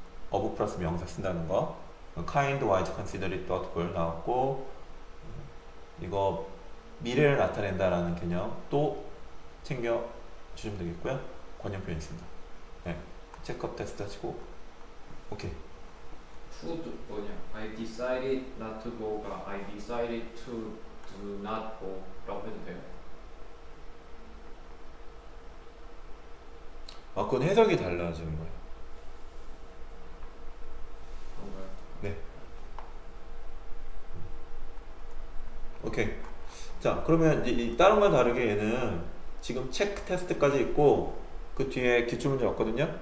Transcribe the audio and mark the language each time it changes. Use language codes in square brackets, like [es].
[ko] of 플러스 명사 쓴다는 거. kind, wise, considerate, thoughtful 나왔고, 이거 미래를 나타낸다라는 개념 또 챙겨 주시면 되겠고요. 관용 표현 있습니다. 네, 체크업 테스트 하시고. 오케이. Food 뭐냐? [en] I decided not to go가 I decided to do not go라고 [ko] 해도 돼요. 아, 그건 해석이 달라지는 거예요. 오케이. 자, 그러면 이 다른 건 다르게 얘는 지금 체크 테스트까지 있고 그 뒤에 기출 문제 왔거든요.